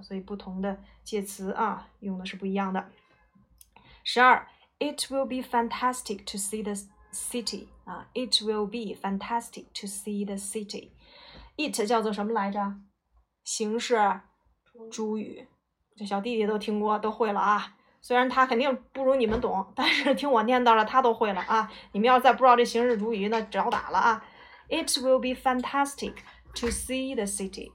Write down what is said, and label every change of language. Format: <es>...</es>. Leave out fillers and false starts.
<zh>所以不同的介词啊用的是不一样的。</zh> <en>12, it will be fantastic to see the city. It will be fantastic to see the city.</en> <zh>It 叫做什么来着？形式主语。这小弟弟都听过，都会了啊。虽然他肯定不如你们懂，但是听我念到了，他都会了啊。你们要再不知道这形式主语，那找打了啊。</zh> <en>It will be fantastic to see the city.</en>